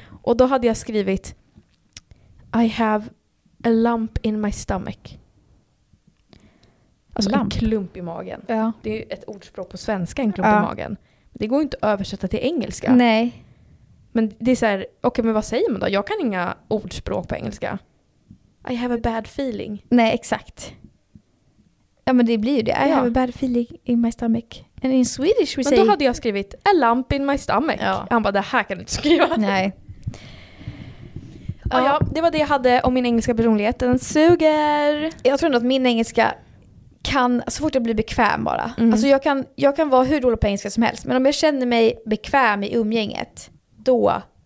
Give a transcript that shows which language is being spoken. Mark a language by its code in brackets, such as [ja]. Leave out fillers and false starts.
[sv] Och då hade jag skrivit [en] I have a lump in my stomach. [sv] Alltså lump. En klump i magen. Ja. Det är ju ett ordspråk på svenska, en klump i magen. Men det går ju inte att översätta till engelska. Nej. Men det är så här, okej, men vad säger man då? Jag kan inga ordspråk på engelska. [en] I have a bad feeling. [sv] Nej, exakt. Ja, men det blir ju det. [en] I have a bad feeling in my stomach. And in Swedish we say. [sv] Men då hade jag skrivit [en] a lump in my stomach. [sv] Ja. Han bara, det här kan du inte skriva. Nej. Ja, det var det jag hade om min engelska personlighet. Den suger. Jag tror ändå att min engelska kan, så fort jag blir bekväm bara. Mm. Alltså jag kan vara hur dålig på engelska som helst. Men om jag känner mig bekväm i umgänget, då.